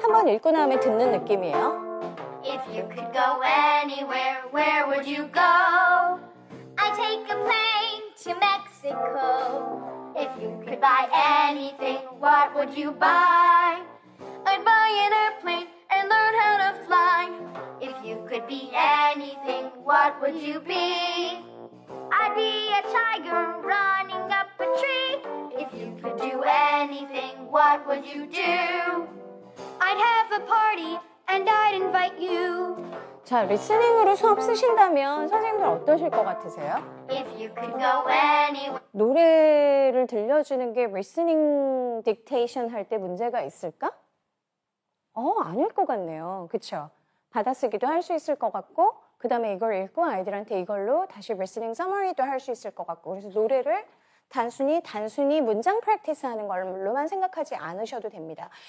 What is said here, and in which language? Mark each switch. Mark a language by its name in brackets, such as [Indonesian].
[Korean] 한번 읽고 나면 듣는 느낌이에요. [English] If you could go anywhere, where would you go? I take a plane to Mexico. If you could buy anything, what would you buy? I'd buy an airplane and learn how to fly. If you could be anything, what would you be? I'd be a tiger running up a tree. If you could do anything, what would you do? I'd have a party and I'd invite you. [Korean] 자, 리스닝으로 수업 쓰신다면 선생님들 어떠실 것 같으세요? [English] If you could go anywhere. [Korean] 노래를 들려주는 게 리스닝 딕테이션 할 때 문제가 있을까? 아닐 것 같네요. 그쵸? 받아쓰기도 할 수 있을 것 같고, 그 다음에 이걸 읽고 아이들한테 이걸로 다시 리스닝 서머리도 할 수 있을 것 같고, 그래서 노래를 단순히 문장 프랙티스 하는 걸로만 생각하지 않으셔도 됩니다.